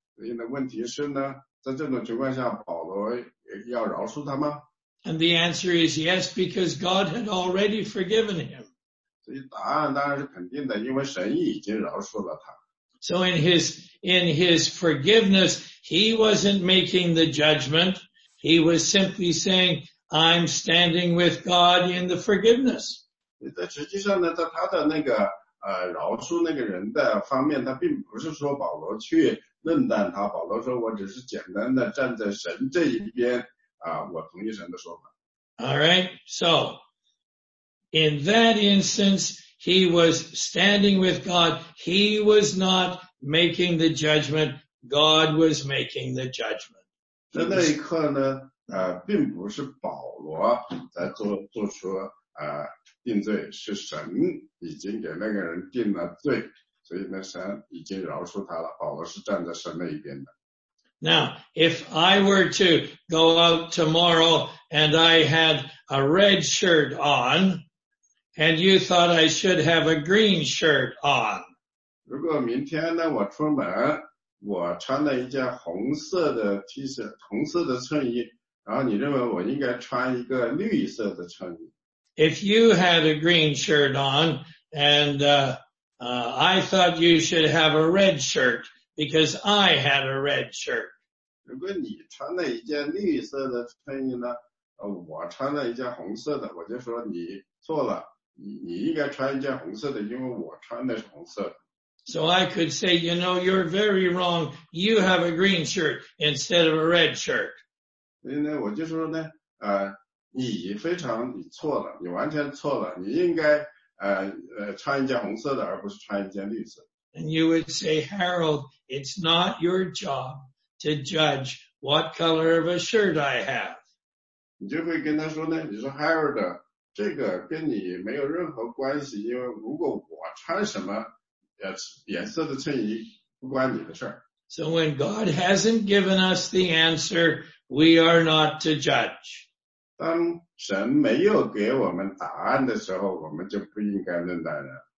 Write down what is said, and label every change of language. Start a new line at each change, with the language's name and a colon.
Chinese: 所以呢问题是呢在这种情况下保罗要饶恕他吗
English: And the answer is yes because God had already forgiven him
Chinese: 所以答案当然是肯定的因为神已经饶恕了他
English: So in his forgiveness he wasn't making the judgment He was simply saying, I'm standing with God in the forgiveness.
Chinese: 实际上呢在他的那个饶恕那个人的方面他并不是说保罗去论断他保罗说我只是简单的站在神这一边我同意神的说法。
English: Alright, so, in that instance, he was standing with God. He was not making the judgment. God was making the judgment.
Chinese: 在那一刻呢并不是保罗在做出定罪是神已经给那个人定了罪所以呢神已经饶恕他了保罗是站在神那一边的。
English: Now, if I were to go out tomorrow and I had a red shirt on and you thought I should have a green shirt on.
Chinese: 如果明天呢我出门我穿了一件红色的 T 恤红色的衬衣然后你认为我应该穿一个绿色的衬衣。
English: If you had a green shirt on, and, I thought you should have a red shirt, because I had a red shirt.
Chinese: 如果你穿了一件绿色的衬衣呢我穿了一件红色的我就说你错了 你应该穿一件红色的因为我穿的是红色的。
English: So I could say, you know, you're very wrong. You have a green shirt instead of a red shirt.
Chinese: 所以呢我就说呢你错了你完全错了你应该穿一件红色的而不是穿一件绿色。
English: And you would say, Harold, it's not your job to judge what color of a shirt I have.
Chinese: 你就会跟他说呢你说 Harold, 这个跟你没有任何关系因为如果我穿什么颜色的衬衣不关你的事儿。
English: So when God hasn't given us the answer, we are not to judge.
Chinese: 当神没有给我们答案的时候，我们就不应该论断人。